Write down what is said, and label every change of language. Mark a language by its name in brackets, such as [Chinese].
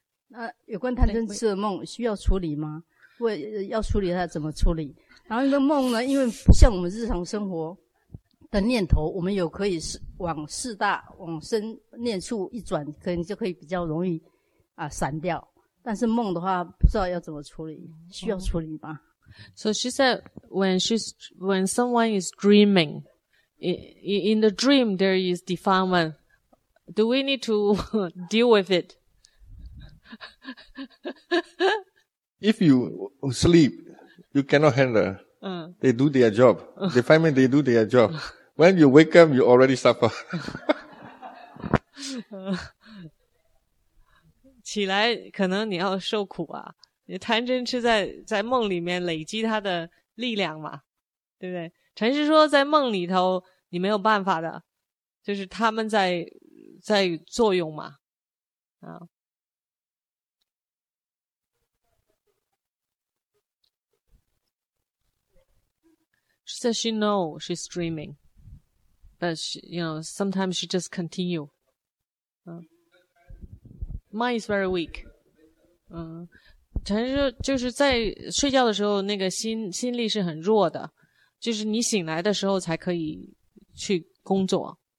[Chinese] 那有关贪嗔痴的梦需要处理吗？为要处理它怎么处理？然后那个梦呢，因为不像我们日常生活的念头，我们有可以往四大往生念处一转，可能就可以比较容易啊散掉。但是梦的话，不知道要怎么处理，需要处理吗？嗯 [English] So she said, when someone is dreaming, in the dream, there is defilement. Do we need to deal with it? If you sleep, you cannot handle. They do their job. Defilement, they do their job. When you wake up, you already suffer. [Chinese] 起来可能你要受苦啊。你贪嗔痴在梦里面累积它的力量嘛，对不对？禅师说在梦里头你没有办法的，就是他们在作用嘛。 [English] 啊，She says she knows she's dreaming, but she, you know, sometimes she just continue. Mind is very weak. [Chinese] 陈师就是在睡觉的时候那个心力是很弱的，就是你醒来的时候才可以去工作。